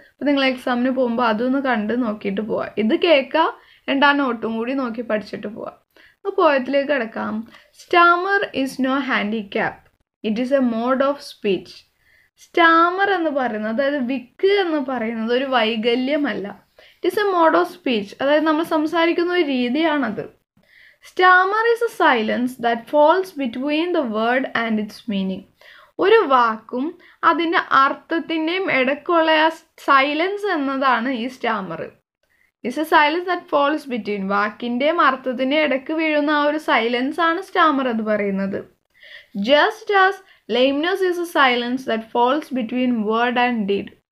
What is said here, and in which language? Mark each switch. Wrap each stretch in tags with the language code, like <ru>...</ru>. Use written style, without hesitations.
<ml>അപ്പോൾ നിങ്ങൾ എക്സാമിന് പോകുമ്പോൾ അതൊന്ന് കണ്ട് നോക്കിയിട്ട് പോവാം. ഇത് കേൾക്കുക, രണ്ടാ നോട്ടും കൂടി നോക്കി പഠിച്ചിട്ട് പോവാം. അപ്പോൾ പോയത്തിലേക്ക് കടക്കാം.</ml> <en>Stammer is no handicap, it is a mode of speech.</en> <ml>Starmer എന്ന് പറയുന്നത്, അതായത് വിക്ക് എന്ന് പറയുന്നത് ഒരു വൈകല്യമല്ല,</ml> <en>It is a mode of speech.</en> <ml>അതായത് നമ്മൾ സംസാരിക്കുന്ന ഒരു രീതിയാണത്.</ml> <en>Stammer is a silence that falls between the word and its meaning.</en> <ml>ഒരു വാക്കും അതിൻ്റെ അർത്ഥത്തിൻ്റെയും ഇടക്കുള്ള ആ സൈലൻസ് എന്നതാണ് ഈ സ്റ്റാമറ്.</ml> <en>is a silence that falls between,</en> <ml>വാക്കിൻ്റെയും അർത്ഥത്തിൻ്റെയും ഇടക്ക് വീഴുന്ന ആ ഒരു സൈലൻസാണ് സ്റ്റാമർ എന്ന് പറയുന്നത്.</ml> <en>Just as lameness is a silence that falls between word and deed.</en>